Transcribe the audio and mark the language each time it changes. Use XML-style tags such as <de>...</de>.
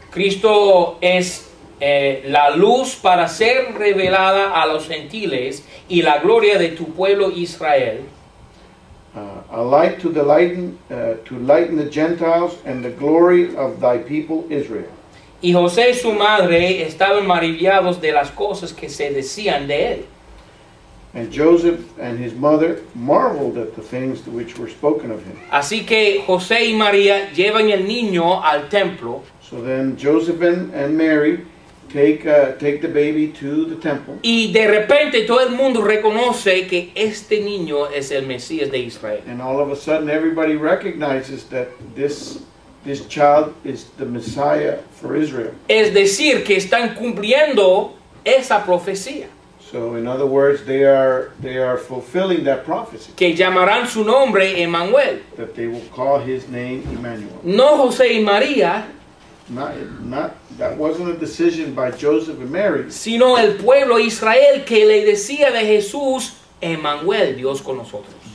<es>Cristo es la luz para ser revelada a los gentiles y la gloria de tu pueblo Israel.</es> <en>A light to the lighten, to lighten the Gentiles and the glory of thy people Israel.</en> <es>Y José y su madre estaban maravillados de las cosas que se decían de él.</es> <en>And Joseph and his mother marveled at the things which were spoken of him.</en> <es>Así que José y María llevan el niño al templo.</es> <en>So then Joseph and Mary take the baby to the temple.</en> <es>Y de repente todo el mundo reconoce que este niño es el Mesías de Israel.</es> <en>And all of a sudden everybody recognizes that this child is the Messiah for Israel.</en> <es>Es decir, que están cumpliendo esa profecía.</es> <en>So in other words, they are fulfilling that prophecy.</en> <es>Que llamarán su nombre Emmanuel.</es> <en>That they will call his name Emmanuel.</en> <es>No José y María.</es> <en>Not that wasn't a decision by Joseph and Mary.</en> <es>Sino el pueblo Israel que le decía de Jesús Emmanuel, Dios con nosotros.</es>